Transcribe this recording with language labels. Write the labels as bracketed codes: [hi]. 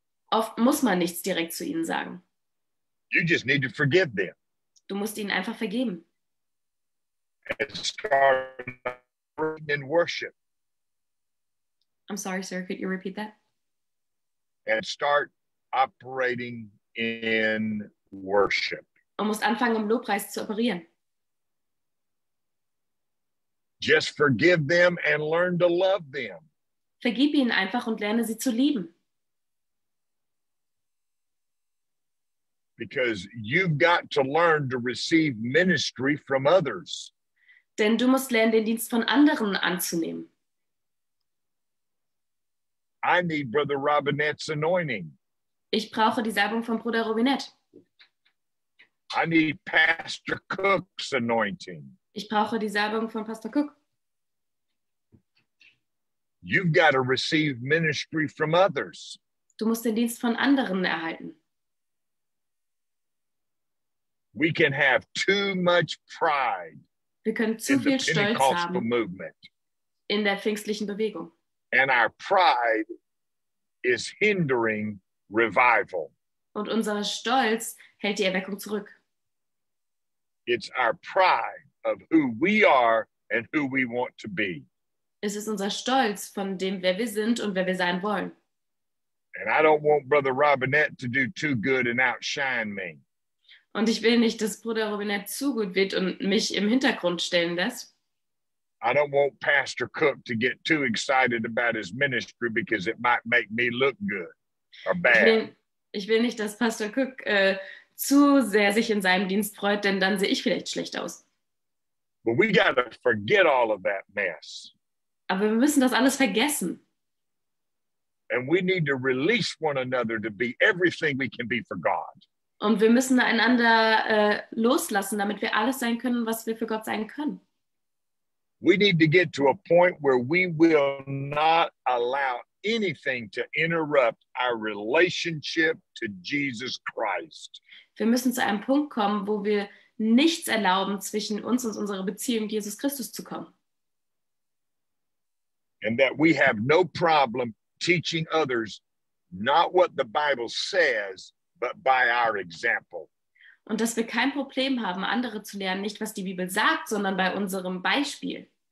[de] Oft muss man nichts direkt zu ihnen sagen. [en] You just need to forgive them. [de] Du musst ihnen einfach vergeben. [en] And start in worship. I'm sorry, sir. Could you repeat that? And start operating in worship. [de] Und musst anfangen, im Lobpreis zu operieren. [en] Just forgive them and learn to love them. [de] Vergib ihnen einfach und lerne sie zu lieben. [en] Because you've got to learn to receive ministry from others. [de] Denn du musst lernen, den Dienst von anderen anzunehmen. [en] I need Brother Robinette's anointing. [de] Ich brauche die Salbung von Bruder Robinette. [en] I need Pastor Cook's anointing. [de] Ich brauche die Salbung von Pastor Cook. [en] You've got to receive ministry from others. [de] Du musst den Dienst von anderen erhalten. [en] We can have too much pride. [de] Wir können zu viel Stolz haben in der pfingstlichen Bewegung. [en] And our pride is hindering revival. [de] Und unser Stolz hält die Erweckung zurück. [en] It's our pride of who we are and who we want to be. [de] Es ist unser Stolz von dem, wer wir sind und wer wir sein wollen. [en] And I don't want Brother Robinette to do too good and outshine me. [de] Und ich will nicht, dass Bruder Robinette zu gut wird und mich im Hintergrund stellen lässt. [en] I don't want Pastor Cook to get too excited about his ministry because it might make me look good or bad. [de] Ich will nicht, dass Pastor Cook zu sehr sich in seinem Dienst freut, denn dann sehe ich vielleicht schlecht aus. [en] But we gotta forget all of that mess. [de] Aber wir müssen das alles vergessen. [en] And we need to release one another to be everything we can be for God. [de] Und wir müssen einander loslassen, damit wir alles sein können, was wir für Gott sein können. [en] We need to get to a point where we will not allow anything to interrupt our relationship to Jesus Christ. [de] Wir müssen zu einem Punkt kommen, wo wir nichts erlauben, zwischen uns und unserer Beziehung Jesus Christus zu kommen. [en] And that we have no problem teaching others not what the Bible says, but by our example. [de] Und dass wir kein Problem haben, andere zu lernen, nicht was die Bibel sagt, sondern bei unserem Beispiel.